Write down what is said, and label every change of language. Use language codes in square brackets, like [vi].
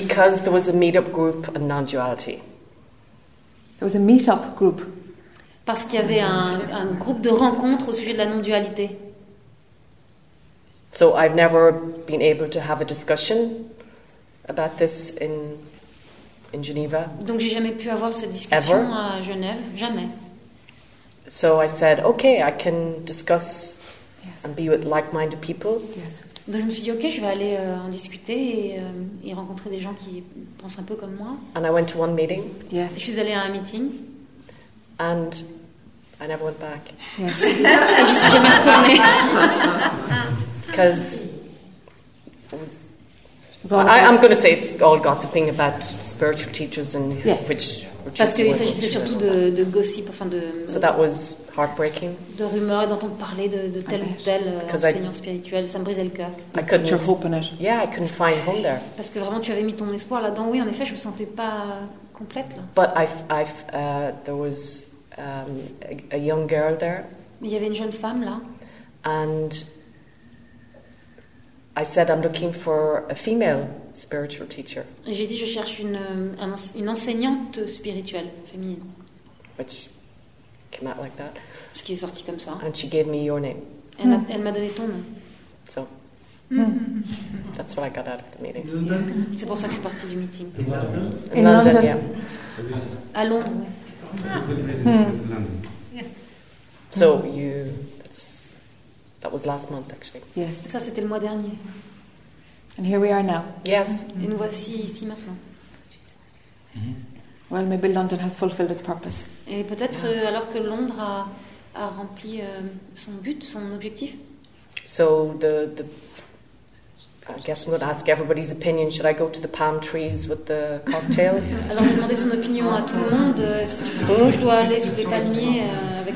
[en] Because there was a meetup group and non-duality. There was a meetup group. [fr] Parce qu'il y avait un groupe de rencontres au sujet de la non-dualité. [en] So I've never been able to have a discussion about this in Geneva. [fr] Donc j'ai jamais pu avoir cette discussion [en] ever. [fr] À Genève, jamais. [en] So I said, okay, I can discuss and be with like-minded people. Yes. [fr] Donc je me suis dit, ok, je vais aller en discuter et rencontrer des gens qui pensent un peu comme moi. [en] And I went to one meeting. Yes. [fr] Je suis allée à un meeting. [en] And I never went back. Yes. [fr] Et je suis jamais retournée. [en] Because I'm going to say it's all gossiping about spiritual teachers and yes. which. [fr] Parce qu'il s'agissait surtout de gossip, enfin de. [en] So that was heartbreaking. [fr] De rumeurs et d'entendre parler de tel ou tel enseignant spirituel, ça me brisait le cœur. [en] I couldn't. Your hope in it. Yeah, I couldn't find home there. [fr] Parce que vraiment, tu avais mis ton espoir là-dedans. Oui, en effet, je me sentais pas complète là. [en] But I've there was a young girl there. [fr] Mais il y avait une jeune femme là. [en] And I said I'm looking for a female spiritual teacher. [fr] J'ai dit je cherche une enseignante spirituelle féminine. [en] Which came out like that. [fr] Ce qui est sorti comme ça. [en] And she gave me your name. [fr] Elle m'a donné ton nom. [en] So that's what I got out of the meeting. London. [fr] C'est pour ça que je suis partie du meeting. [en] In London. In London, yeah. [fr] À Londres. Oui. [en] Yes. So you. That was last month, actually. Yes. [fr] Ça, c'était le mois dernier. [en] And here we are now. Yes. [fr] Et nous voici ici maintenant. [en] Well, maybe London has fulfilled its purpose. [fr] Et peut-être alors que Londres a rempli son but, son objectif. [en] So the I guess I'm going to ask everybody's opinion. Should I go to the palm trees with the cocktail? [fr] Alors, je demander son opinion à tout le monde. Est-ce que je dois aller sous les palmiers avec